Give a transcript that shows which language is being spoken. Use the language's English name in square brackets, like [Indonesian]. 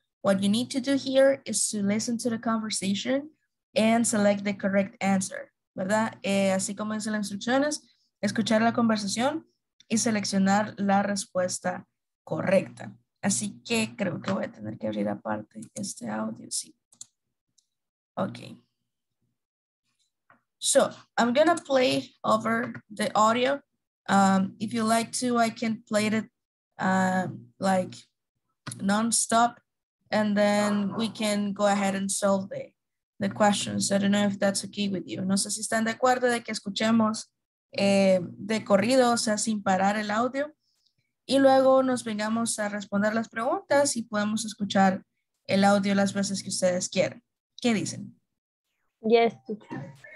[English] What you need to do here is to listen to the conversation and select the correct answer, ¿verdad? [Spanish] Así como dicen las instrucciones, escuchar la conversación y seleccionar la respuesta correcta. Así que creo que voy a tener que abrir aparte este audio, sí. Ok. [English] So, I'm going to play over the audio. If you like to, I can play it like non-stop. And then we can go ahead and solve the questions. I don't know if that's okay with you. [Spanish] No sé si están de acuerdo de que escuchemos de corrido, o sea, sin parar el audio, y luego nos vengamos a responder las preguntas y podemos escuchar el audio las veces que ustedes quieran. ¿Qué dicen? [English] Yes, teacher.